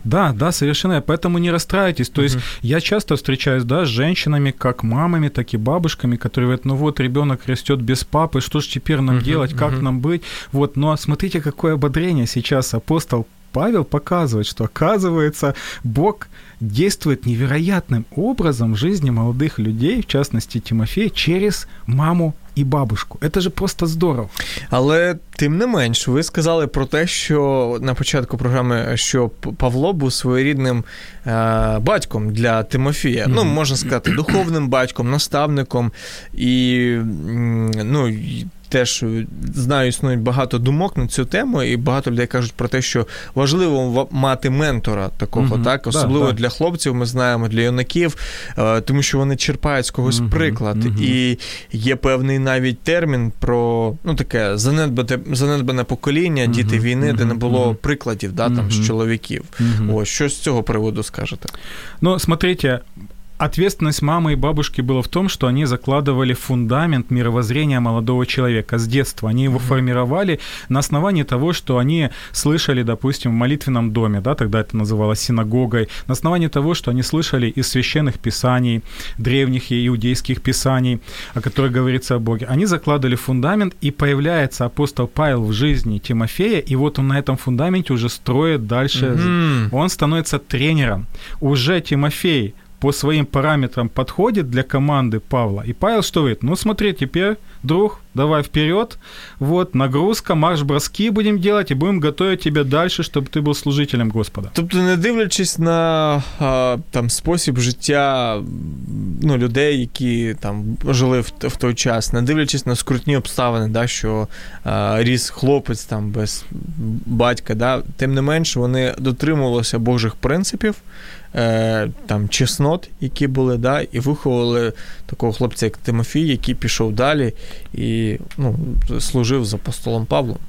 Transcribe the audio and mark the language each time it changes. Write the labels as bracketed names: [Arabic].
[Russian] Да, да, совершенно, поэтому не расстраивайтесь, то есть я часто встречаюсь, да, с женщинами, как мамами, так и бабушками, которые говорят, ну вот, ребенок растет без папы, что же теперь нам делать, как нам быть, вот, ну, а смотрите, какое ободрение сейчас апостол Павел показывает, что, оказывается, Бог действует невероятным образом в жизни молодых людей, в частности Тимофея, через маму и бабушку. Это же просто здорово. [Ukrainian] Але тим не менш, ви сказали про те, що на початку програми, що Павло був своєрідним батьком для Тимофія. Ну, можна сказати, духовним батьком, наставником і, ну, теж знаю, існують багато думок на цю тему, і багато людей кажуть про те, що важливо мати ментора такого, mm-hmm. так? Особливо для хлопців, ми знаємо, для юнаків, тому що вони черпають з когось приклад. Mm-hmm. І є певний навіть термін про, ну, таке занедбане покоління, діти війни, де не було прикладів, да, там, з чоловіків. Ось, що з цього приводу скажете? [Russian] Ну, смотрите, ответственность мамы и бабушки была в том, что они закладывали фундамент мировоззрения молодого человека с детства. Они его формировали на основании того, что они слышали, допустим, в молитвенном доме, да, тогда это называлось синагогой, на основании того, что они слышали из священных писаний, древних и иудейских писаний, о которых говорится о Боге. Они закладывали фундамент, и появляется апостол Павел в жизни Тимофея, и вот он на этом фундаменте уже строит дальше. Он становится тренером. Уже Тимофей по своим параметрам подходит для команды Павла. И Павел что говорит? Ну, смотри, теперь, друг, давай вперед. Вот, нагрузка, марш-броски будем делать, и будем готовить тебя дальше, чтобы ты был служителем Господа. [Ukrainian] Тобто, не дивлячись на там, спосіб життя, ну, людей, які там жили в той час, не дивлячись на скрутні обставини, да, що ріс хлопець там без батька, да, тим не менше вони дотримувалися Божих принципів, там, чеснот, які були, да, і виховували такого хлопця, як Тимофій, який пішов далі і, ну, служив з апостолом Павлом.